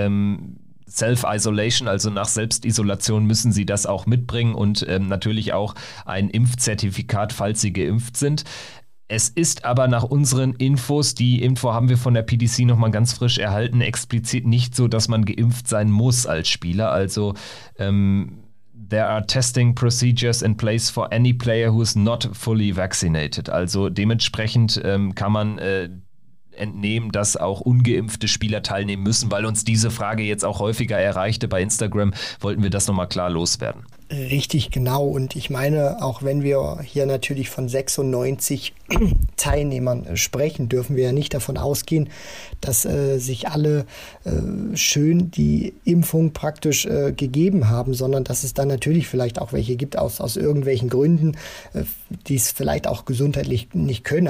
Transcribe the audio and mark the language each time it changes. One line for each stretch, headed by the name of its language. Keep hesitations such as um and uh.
German: Ähm, Self-Isolation, also nach Selbstisolation, müssen sie das auch mitbringen und ähm, natürlich auch ein Impfzertifikat, falls sie geimpft sind. Es ist aber nach unseren Infos, die Info haben wir von der PDC nochmal ganz frisch erhalten, explizit nicht so, dass man geimpft sein muss als Spieler.
English: Also ähm, there are testing procedures in place for any player who is not fully vaccinated.
German: Also dementsprechend ähm, kann man äh, entnehmen, dass auch ungeimpfte Spieler teilnehmen müssen, weil uns diese Frage jetzt auch häufiger erreichte bei Instagram, wollten wir das nochmal klar loswerden. Richtig, genau. Und ich meine, auch wenn wir hier natürlich von 96 Teilnehmern sprechen, dürfen wir ja nicht davon ausgehen, dass äh, sich alle äh, schön die Impfung praktisch äh, gegeben haben, sondern dass es dann natürlich vielleicht auch welche gibt aus, aus irgendwelchen Gründen, die es vielleicht auch gesundheitlich nicht können.